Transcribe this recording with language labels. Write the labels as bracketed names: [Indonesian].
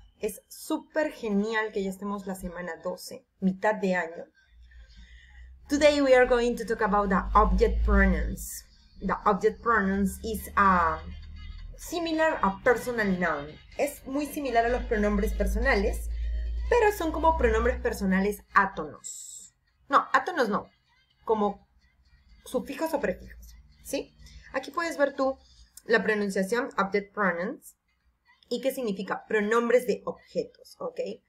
[Spanish] Es súper genial que ya estemos la semana 12, mitad de año. [English] Today we are going to talk about the object pronouns. The object pronouns is a similar a personal noun. [Spanish] Es muy similar a los pronombres personales, pero son como pronombres personales átonos. No, átonos no, como sufijos o prefijos, ¿sí? Aquí puedes ver tú la pronunciación, object pronouns, y qué significa pronombres de objetos, ¿ok?